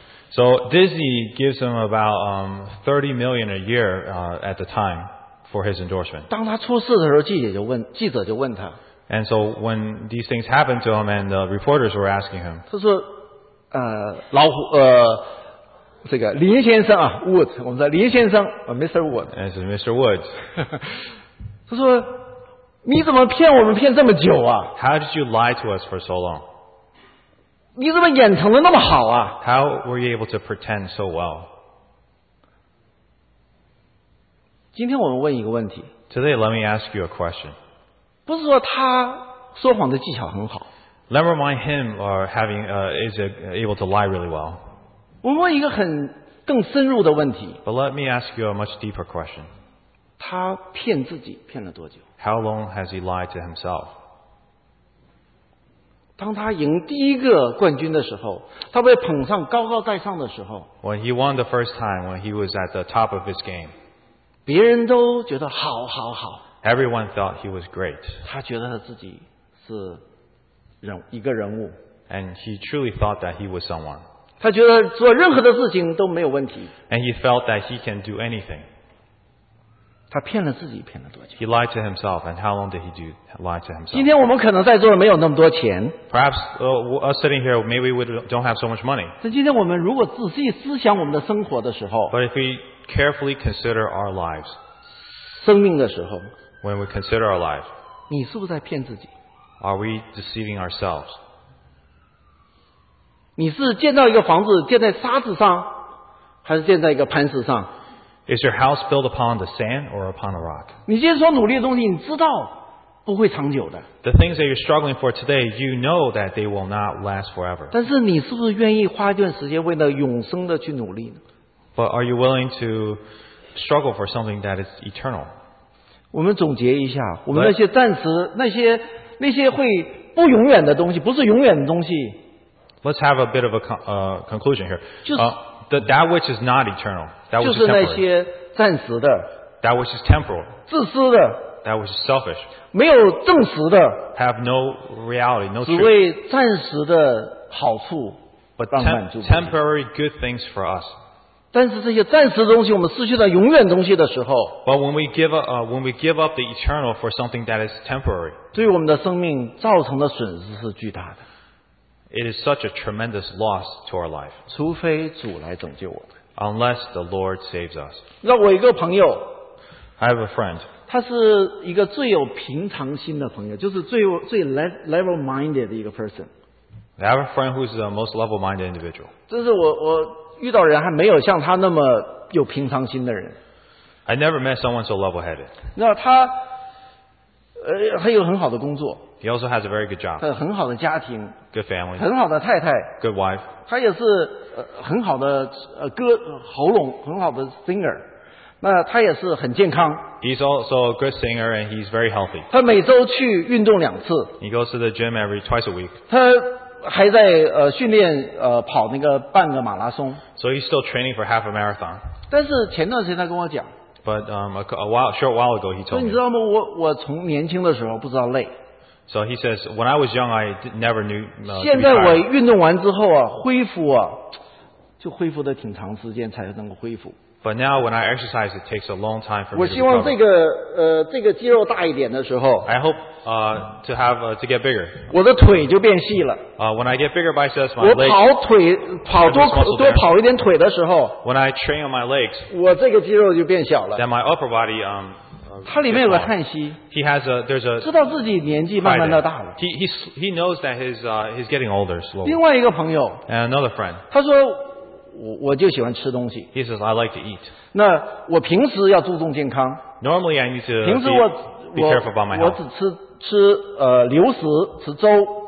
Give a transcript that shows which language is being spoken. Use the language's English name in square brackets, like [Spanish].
[English] So Disney gives him about $30 million a year at the time for his endorsement. [Chinese] 当他出事的时候，记者就问他。 [English] And so when these things happened to him, and the reporters were asking him, [Chinese] 他说，老虎，这个林先生啊 ，Wood， 我们说林先生 ，Mr. [English] Wood， and so Mr. Woods， [Chinese] 他说，你怎么骗我们骗这么久啊 [English] ？How did you lie to us for so long？ [Chinese] 你怎么掩藏的那么好啊 [English] ？How were you able to pretend so well？ [Chinese] 今天我们问一个问题。 [English] Today, let me ask you a question。 [Chinese] 不是说他说谎的技巧很好。 [English] Let me remind him or having is able to lie really well. [Chinese] 我问一个很更深入的问题。 [English] But let me ask you a much deeper question. [Chinese] 他骗自己骗了多久 [English] ？How long has he lied to himself? [Chinese] 当他赢第一个冠军的时候，他被捧上高高在上的时候。 [English] When he won the first time, when he was at the top of his game. [Chinese] 别人都觉得好好好。 [English] Everyone thought he was great. [Chinese] 他觉得他自己是一个人物。 [English] And he truly thought that he was someone. [Chinese] 他觉得做任何的事情都没有问题。 [English] And he felt that he can do anything. [Chinese] 他骗了自己骗了多久 [English] ？He lied to himself. And how long did he do lie to himself? [Chinese] 今天我们可能在座没有那么多钱。 [English] Perhaps us sitting here, maybe we don't have so much money. [Chinese] 但今天我们如果仔细思想我们的生活的时候 [English] ，But if we carefully consider our lives, [Chinese] 生命的时候。 [English] When we consider our life, [Chinese] 你是不是在骗自己？ [English] Are we deceiving ourselves? [Chinese] 你是建造一个房子建在沙子上，还是建在一个磐石上？ [English] Is your house built upon the sand or upon a rock? [Chinese] 你今天所努力的东西，你知道不会长久的。 [English] The things that you're struggling for today, you know that they will not last forever. [Chinese] 但是你是不是愿意花一段时间为了永生的去努力呢？ [English] But are you willing to struggle for something that is eternal? [Chinese] 我们总结一下，我们那些暂时、那些会不永远的东西，不是永远的东西。 [English] Let's have a bit of a conclusion here. [Chinese] 就是 [English] that which is not eternal, that which is temporary. [Chinese] 就是那些暂时的。 [English] That which is temporal. [Chinese] 自私的。 [English] That which is selfish. [Chinese] 没有证实的。 [English] Have no reality, no truth. [Chinese] 只为暂时的好处。 [English] But temporary good things for us. [Chinese] 但是这些暂时的东西，我们失去了永远东西的时候 [English] ，But when we give up the eternal for something that is temporary， [Chinese] 对我们的生命造成的损失是巨大的。 [English] It is such a tremendous loss to our life。 [Chinese] 除非主来拯救我们 [English] ，Unless the Lord saves us。 [Chinese] 那我一个朋友 [English] ，I have a friend， [Chinese] 他是一个最有平常心的朋友，就是最 [English] level minded [Chinese] 的一个 person。 [English] I have a friend who is the most level minded individual。 [Chinese] 这是我。遇到人还没有像他那么有平常心的人。 [English] I never met someone so level-headed. [Chinese] 那他，他有很好的工作。 [English] He also has a very good job. [Chinese] 很好的家庭。 [English] Good family. [Chinese] 很好的太太。 [English] Good wife. [Chinese] 他也是很好的歌喉咙，很好的 singer。那他也是很健康。 [English] He's also a good singer and he's very healthy. [Chinese] 他每周去运动两次。 [English] He goes to the gym every twice a week. [Chinese] 他还在训练跑那个半个马拉松。 [English] So he's still training for half a marathon. [Chinese] 但是前段时间他跟我讲。 [English] But a short while ago he told me. [Chinese] 你知道吗？我从年轻的时候不知道累。 [English] So he says when I was young I never knew. [Chinese] 现在我运动完之后啊，恢复啊，就恢复的挺长时间才能够恢复。 [English] But now when I exercise, it takes a long time for me to recover. [Chinese] 我希望这个肌肉大一点的时候。 [English] I hope to get bigger. [Chinese] 我的腿就变细了。 [English] When I get bigger biceps, my legs. [Chinese] 我跑腿跑多跑一点腿的时候。 [English] When I train on my legs. [Chinese] 我这个肌肉就变小了。 [English] Then my upper body [Chinese] 它里面有个叹息。 [English] He has there's a [Chinese] 知道自己年纪慢慢的大了。 [English] He knows that he's getting older slowly. [Chinese] 另外一个朋友。 [English] And another friend. [Chinese] 他说。我就喜欢吃东西。 [English] He says I like to eat. [Chinese] 那我平时要注重健康。 [English] Normally I need to be careful about my health. [Chinese] 平时我只吃流食，吃粥。